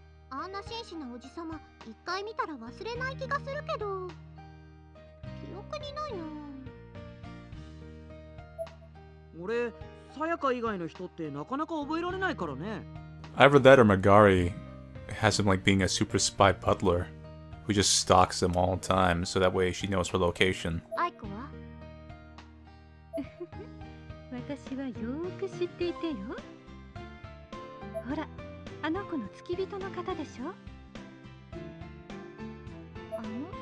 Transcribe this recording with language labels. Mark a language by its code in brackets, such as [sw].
[ja] あんな紳士なおじさま、一回見たら忘れない気がするけど。記憶にないな。俺、さやか以外の人ってなかなか覚えられないからね。 [en] Either that or Magari has him like being a super spy butler who just stalks them all the time so that way she knows her location. [ja] アイコは? 私はよく知っていてよ。ほら、あの子の付き人の方でしょ。あの子？